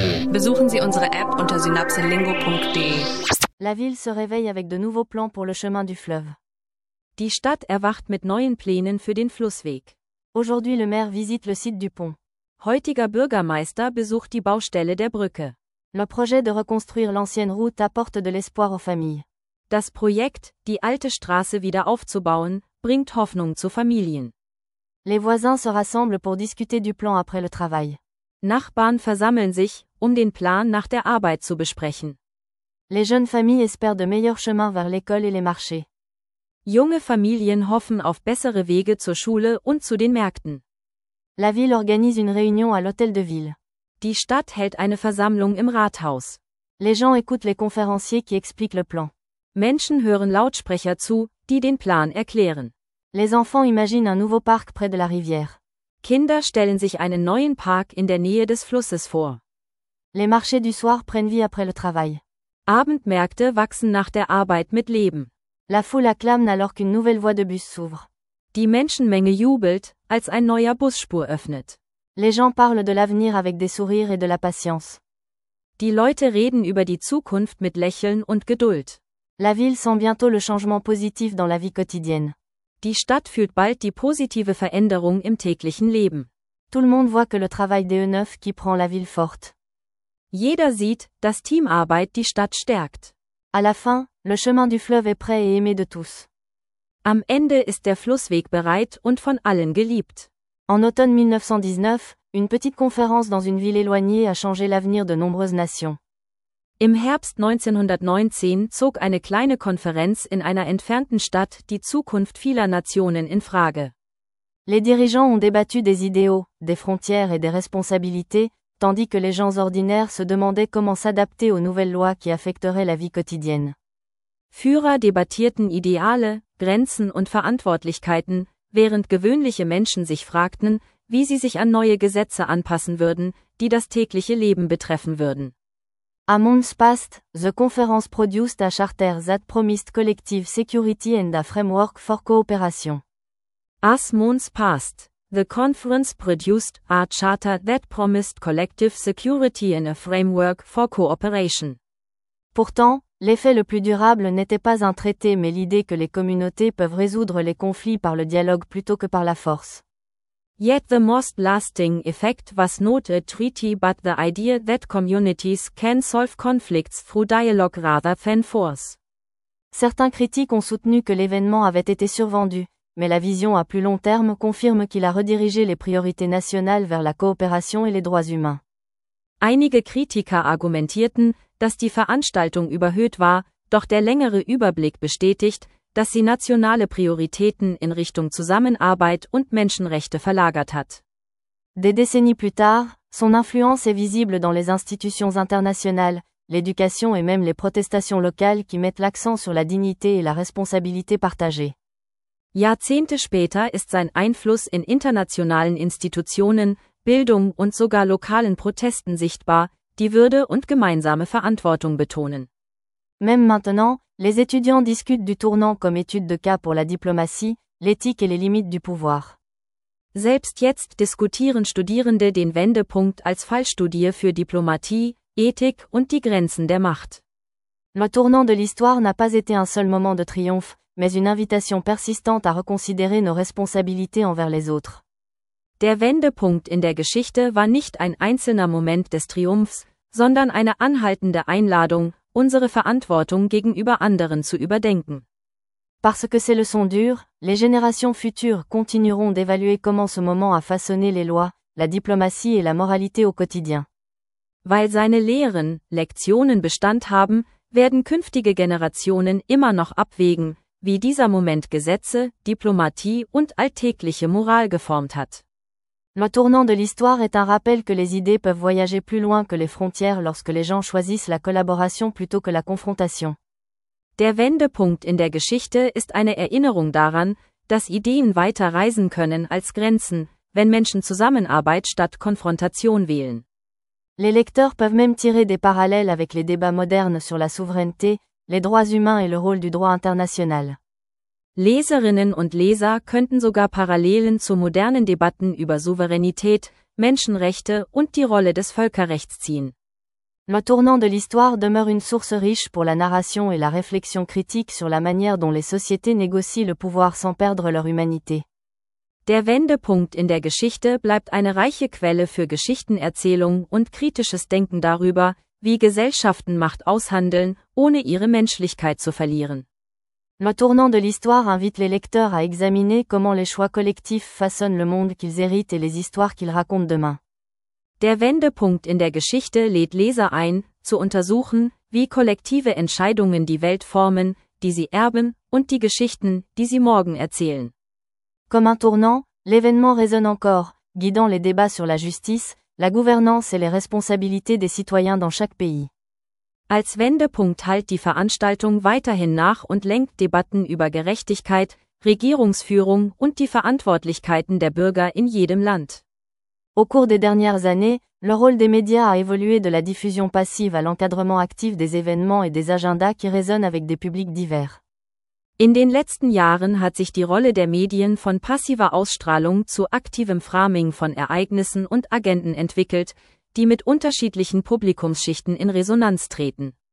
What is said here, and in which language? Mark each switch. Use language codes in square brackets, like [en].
[de] Besuchen Sie unsere App unter synapselingo.de. [fr] La ville se réveille avec de nouveaux plans pour le chemin du fleuve. [de] Die Stadt erwacht mit neuen Plänen für den Flussweg. [fr] Aujourd'hui le maire visite le site du pont. [de] Heutiger Bürgermeister besucht die Baustelle der Brücke. [fr] Le projet de reconstruire l'ancienne route apporte de l'espoir aux familles. [de] Das Projekt, die alte Straße wieder aufzubauen, bringt Hoffnung zu Familien. [fr] Les voisins se rassemblent pour discuter du plan après le travail. [de] Nachbarn versammeln sich, um den Plan nach der Arbeit zu besprechen. [fr] Les jeunes familles espèrent de meilleurs chemins vers l'école et les marchés. [de] Junge Familien hoffen auf bessere Wege zur Schule und zu den Märkten. [fr] La ville organise une réunion à l'hôtel de ville. [de] Die Stadt hält eine Versammlung im Rathaus. [fr] Les gens écoutent les conférenciers qui expliquent le plan. [de] Menschen hören Lautsprecher zu, die den Plan erklären. [fr] Les enfants imaginent un nouveau parc près de la rivière. [de] Kinder stellen sich einen neuen Park in der Nähe des Flusses vor. [fr] Les marchés du soir prennent vie après le travail. [de] Abendmärkte wachsen nach der Arbeit mit Leben. [fr] La foule acclame alors qu'une nouvelle voie de bus s'ouvre. [de] Die Menschenmenge jubelt, als ein neuer Busspur öffnet. [fr] Les gens parlent de l'avenir avec des sourires et de la patience. [de] Die Leute reden über die Zukunft mit Lächeln und Geduld. [fr] La ville sent bientôt le changement positif dans la vie quotidienne. [de] Die Stadt fühlt bald die positive Veränderung im täglichen Leben. [fr] Tout le monde voit que le travail des E9 qui prend la ville forte. [de] Jeder sieht, dass Teamarbeit die Stadt stärkt. [fr] À la fin, le chemin du fleuve est prêt et aimé de tous. [de] Am Ende ist der Flussweg bereit und von allen geliebt. [fr] En automne 1919, une petite conférence dans une ville éloignée a changé l'avenir de nombreuses nations. [de] Im Herbst 1919 zog eine kleine Konferenz in einer entfernten Stadt die Zukunft vieler Nationen in Frage. [fr] Les dirigeants ont débattu des idéaux, des frontières et des responsabilités, tandis que les gens ordinaires se demandaient comment s'adapter aux nouvelles lois qui affecteraient la vie quotidienne. [de] Führer debattierten Ideale, Grenzen und Verantwortlichkeiten, während gewöhnliche Menschen sich fragten, wie sie sich an neue Gesetze anpassen würden, die das tägliche Leben betreffen würden. [en] À months past, the conference produced a charter that promised collective security and a framework for cooperation. As months passed, the conference produced a charter that promised collective security and a framework for cooperation. [fr] Pourtant, l'effet le plus durable n'était pas un traité mais l'idée que les communautés peuvent résoudre les conflits par le dialogue plutôt que par la force. [en] Yet the most lasting effect was not a treaty but the idea that communities can solve conflicts through dialogue rather than force. [fr] Certains critiques ont soutenu que l'événement avait été survendu, mais la vision à plus long terme confirme qu'il a redirigé les priorités nationales vers la coopération et les droits humains. [de] Einige Kritiker argumentierten, dass die Veranstaltung überhöht war, doch der längere Überblick bestätigt, dass sie nationale Prioritäten in Richtung Zusammenarbeit und Menschenrechte verlagert hat. [fr] Des décennies plus tard, son influence est visible dans les institutions internationales, l'éducation et même les protestations locales qui mettent l'accent sur la dignité et la responsabilité partagée. [de] Jahrzehnte später ist sein Einfluss in internationalen Institutionen, Bildung und sogar lokalen Protesten sichtbar, die Würde und gemeinsame Verantwortung betonen. [fr] Même maintenant, les étudiants discutent du tournant comme étude de cas pour la diplomatie, l'éthique et les limites du pouvoir. [de] Selbst jetzt diskutieren Studierende den Wendepunkt als Fallstudie für Diplomatie, Ethik und die Grenzen der Macht. [fr] Le tournant de l'histoire n'a pas été un seul moment de triomphe, mais une invitation persistante à reconsidérer nos responsabilités envers les autres. [de] Der Wendepunkt in der Geschichte war nicht ein einzelner Moment des Triumphs, sondern eine anhaltende Einladung, unsere Verantwortung gegenüber anderen zu überdenken. [fr] Parce que ces leçons durent, les générations futures continueront d'évaluer comment ce moment a façonné les lois, la diplomatie et la moralité au quotidien. [de] Weil seine Lehren, Lektionen Bestand haben, werden künftige Generationen immer noch abwägen, wie dieser Moment Gesetze, Diplomatie und alltägliche Moral geformt hat. [fr] Le tournant de l'histoire est un rappel que les idées peuvent voyager plus loin que les frontières lorsque les gens choisissent la collaboration plutôt que la confrontation. [de] Der Wendepunkt in der Geschichte ist eine Erinnerung daran, dass Ideen weiter reisen können als Grenzen, wenn Menschen Zusammenarbeit statt Konfrontation wählen. [fr] Les lecteurs peuvent même tirer des parallèles avec les débats modernes sur la souveraineté, les droits humains et le rôle du droit international. [de] Leserinnen und Leser könnten sogar Parallelen zu modernen Debatten über Souveränität, Menschenrechte und die Rolle des Völkerrechts ziehen. [fr] Le tournant de l'histoire demeure une source riche pour la narration et la réflexion critique sur la manière dont les sociétés négocient le pouvoir sans perdre leur humanité. [de] Der Wendepunkt in der Geschichte bleibt eine reiche Quelle für Geschichtenerzählung und kritisches Denken darüber, wie Gesellschaften Macht aushandeln, ohne ihre Menschlichkeit zu verlieren. [fr] Le tournant de l'histoire invite les lecteurs à examiner comment les choix collectifs façonnent le monde qu'ils héritent et les histoires qu'ils racontent demain. [de] Der Wendepunkt in der Geschichte lädt Leser ein, zu untersuchen, wie kollektive Entscheidungen die Welt formen, die sie erben, und die Geschichten, die sie morgen erzählen. [fr] Comme un tournant, l'événement résonne encore, guidant les débats sur la justice, la gouvernance et les responsabilités des citoyens dans chaque pays. [de] Als Wendepunkt hallt die Veranstaltung weiterhin nach und lenkt Debatten über Gerechtigkeit, Regierungsführung und die Verantwortlichkeiten der Bürger in jedem Land. [fr] Au cours des dernières années, le rôle des médias a évolué de la diffusion passive à l'encadrement actif des événements et des agendas qui résonnent avec des publics divers. [de] In den letzten Jahren hat sich die Rolle der Medien von passiver Ausstrahlung zu aktivem Framing von Ereignissen und Agenden entwickelt, die mit unterschiedlichen Publikumsschichten in Resonanz treten.